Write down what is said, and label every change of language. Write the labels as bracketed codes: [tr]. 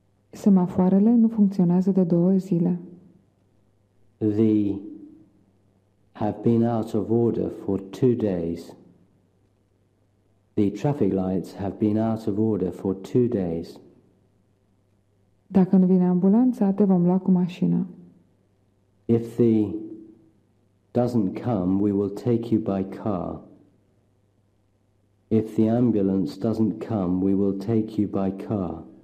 [ro] Semafoarele nu funcționează de două zile. [en] They have been out of order for 2 days. The traffic lights have been out of order for 2 days. [ro] Dacă nu vine ambulanța, te vom lua cu mașina. [en] If the doesn't come, we will take you by car. If the ambulance doesn't come, we will take you by car.